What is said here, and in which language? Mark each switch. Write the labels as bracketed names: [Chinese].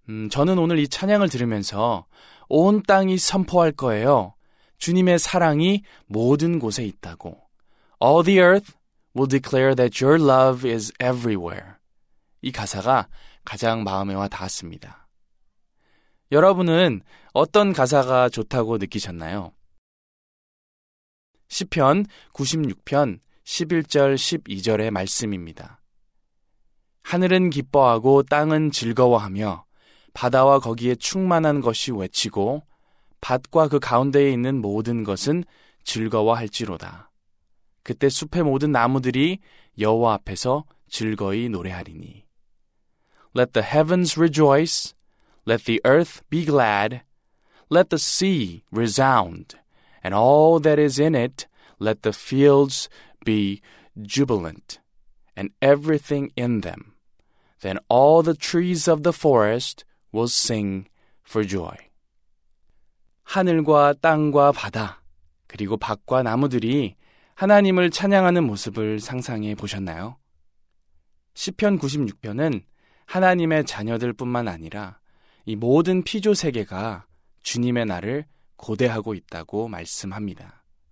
[Korean] 저는 오늘 이 찬양을 들으면서 온 땅이 선포할 거예요. 주님의 사랑이 모든 곳에 있다고. [English] All the Earth will declare that your love is everywhere. [Korean] 이 가사가 가장 마음에 와 닿았습니다. 여러분은 어떤 가사가 좋다고 느끼셨나요? 시편 96편 11절 12절의 말씀입니다. 하늘은 기뻐하고 땅은 즐거워하며 바다와 거기에 충만한 것이 외치고 밭과 그 가운데에 있는 모든 것은 즐거워할지로다. 그때 숲의 모든 나무들이 여호와 앞에서 즐거이 노래하리니. [English] Let the heavens rejoice, let the earth be glad, let the sea resound, and all that is in it, let the fields be jubilant, and everything in them. Then all the trees of the forest will sing for joy. [Korean] 하늘과 땅과 바다, 그리고 밭과 나무들이 하나님을 찬양하는 모습을 상상해 보셨나요? 시편 96편은 하나님의 자녀들 뿐만 아니라 이 모든 피조 세계가 주님의 날을 고대하고 있다고 말씀합니다.